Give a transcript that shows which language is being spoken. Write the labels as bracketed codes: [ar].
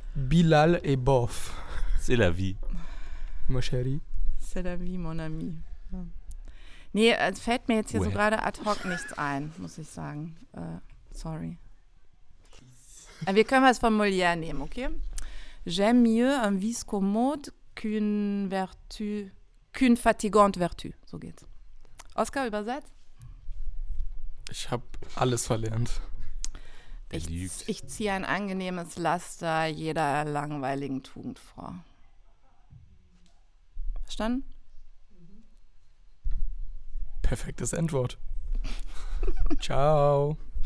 [fr] Bilal et bof. C'est la vie. Ma chérie. [de] Wie [fr] mon ami. [de] Nee, es fällt mir jetzt hier so gerade ad hoc nichts ein, muss ich sagen. Sorry. Aber wir können was von Molière nehmen, okay? [fr] J'aime mieux un vice commode qu'une fatigante vertu. [de] So geht's. Oscar, übersetzt? Ich habe alles verlernt. Ich ziehe ein angenehmes Laster jeder langweiligen Tugend vor. Verstanden? Perfektes Endwort. Ciao.